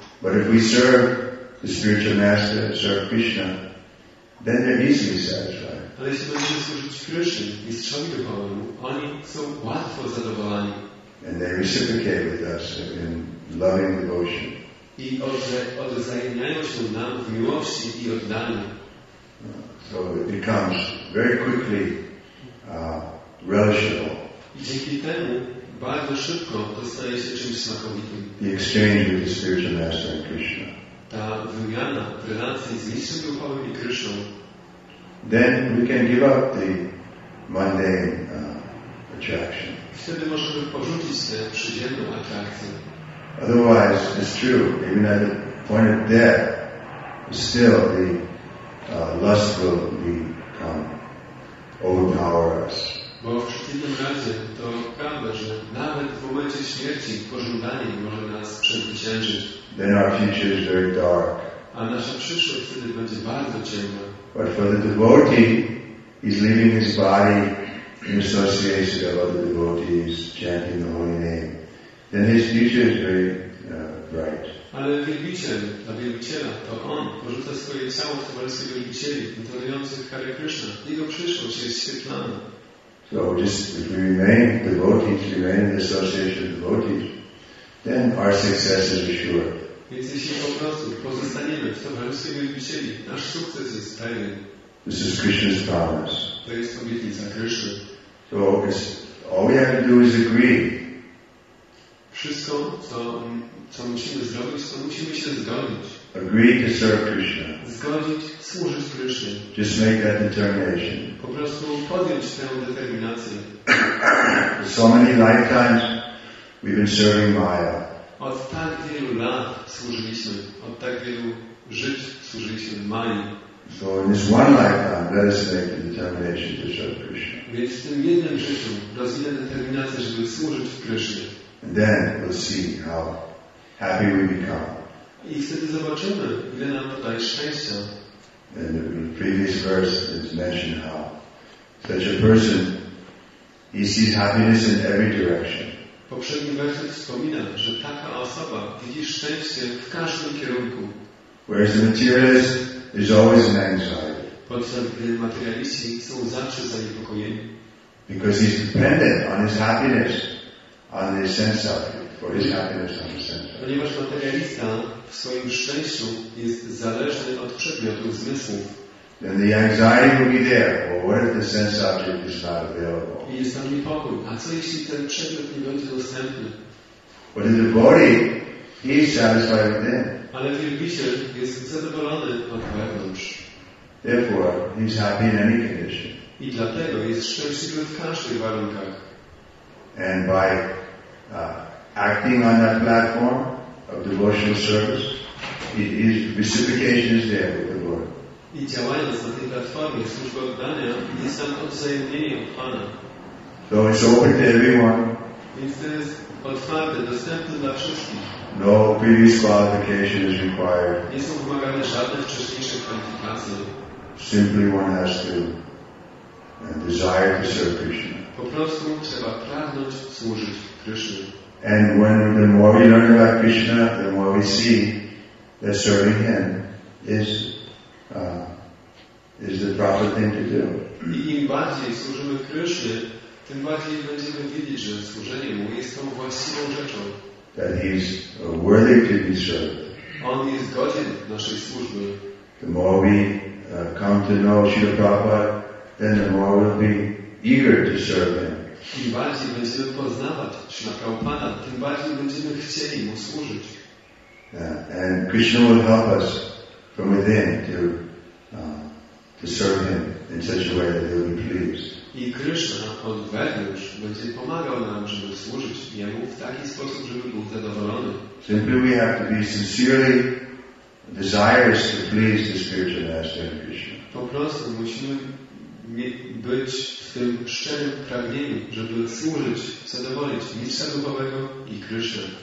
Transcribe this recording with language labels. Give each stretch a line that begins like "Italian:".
English: But if we serve the spiritual master, serve Krishna, then they're easily satisfied.
Polish: Ale jeśli będziemy służyć Krishna, mistrzowi duchowemu, oni są łatwo zadowoleni.
English: And they reciprocate with us in loving devotion.
Polish: I odwzajemniają się nam w miłości i oddaniu.
English: So it becomes very quickly relishable.
Polish: I dzięki temu bardzo szybko to staje się czymś smakowitym.
English: The exchange with the spiritual master and Krishna.
Polish: Ta wymiana w relacji z mistrzem duchowym i Krishną.
English: Then we can give up the mundane attraction.
Polish: Wtedy możemy porzucić tę przyziemną atrakcję.
English: Otherwise, it's true, even at the point of death, still the lust will become overpower us.
Polish: Bo w przeciwnym razie to prawda, że nawet w momencie śmierci pożądanie może nas przezwyciężyć.
English: Then our future is very dark.
Polish: A nasza przyszłość wtedy będzie bardzo ciemna.
English: But for the devotee, he's leaving his body in association of other devotees chanting the holy name. Then his future is very bright.
Polish: Ale wielbiciel, dla wielbiciela, to on porzuca swoje ciało w towarzystwie wielbicieli, intonujących Hare Krishna. Jego przyszłość jest świetlana.
English: So just if we remain devotees, remain in the association of devotees, then our success is assured.
Polish: Więc jeśli po prostu pozostaniemy w towarzystwie wielbicieli, nasz sukces jest pewien.
English: This is Krishna's promise.
Polish: To jest obietnica Krishna.
English: So all we have to do is agree.
Polish: Wszystko, co musimy zrobić, to musimy się zgodzić.
English: Agree to serve Krishna.
Polish: Zgodzić, służyć Krishna.
English: Just make that determination.
Polish: Po prostu podjąć tę determinację.
English: So many lifetimes we've been serving Maya.
Polish: Od tak wielu lat służyliśmy, od tak wielu żyć służyliśmy Maji.
English: So in this one lifetime, let us make the determination to serve Krishna.
Polish: Więc w tym jednym życiu rozwinę determinację, żeby służyć w Krishna.
English: And then we'll see how happy we become.
Polish: I wtedy zobaczymy, ile nam to daje szczęścia.
English: In the previous verse, it's mentioned how such a person, he sees happiness in every direction.
Polish: Poprzedni werset wspomina, że taka osoba widzi szczęście w każdym kierunku.
English: Whereas the materialist is always in anxiety.
Polish: Podczas gdy materialiści są zawsze zaniepokojeni.
English: Because he's dependent on his happiness, on his sense of it, for his happiness on his sense of it.
Polish: Ponieważ materialista w swoim szczęściu jest zależny od przedmiotów zmysłów.
English: Then the anxiety will be there. Well, what if the sense object is not available?
Polish: I jest tam niepokój. A co jeśli ten przedmiot nie będzie dostępny?
English: But in the body, he is satisfied within.
Polish: Ale wielbiciel jest zadowolony od wewnątrz.
English: Therefore, he is happy in any condition.
Polish: I dlatego jest szczęśliwy w każdych warunkach.
English: And by acting on that platform of devotional service, his reciprocation is there with the Lord.
Polish: I działając na tej platformie służby oddania, jest tam odwzajemnienie od Pana.
English: So it's open to everyone.
Polish: Więc to jest otwarte, dostępne dla wszystkich.
English: No previous qualification is required.
Polish: Nie są wymagane żadne wcześniejsze kwalifikacje.
English: Simply one has to desire to serve Krishna.
Polish: Po prostu trzeba pragnąć służyć Krishna.
English: And when the more we learn about Krishna, the more we see that serving Him is the proper thing to do.
Polish: I im bardziej służymy Krishna, tym bardziej będziemy wiedzieć, że służenie Mu jest tą właściwą rzeczą.
English: That He is worthy to be served.
Polish: On jest godzien naszej służby.
English: The more we come to know Śrīla Prabhupāda, then the more we'll be eager to serve Him.
Polish: Im bardziej będziemy poznawać Śrīla Prabhupāda, tym bardziej będziemy chcieli Mu służyć.
English: And Krishna will help us from within to serve Him in such a way that He'll be pleased.
Polish: I Krishna od wewnątrz będzie pomagał nam, żeby służyć Jemu w taki sposób, żeby był zadowolony.
English: Simply we have to be sincerely desires to please the spiritual master Krishna.
Polish: Po prostu musimy być w tym szczerym pragnieniu, żeby służyć, zadowolić mistrza duchowego i Krishna.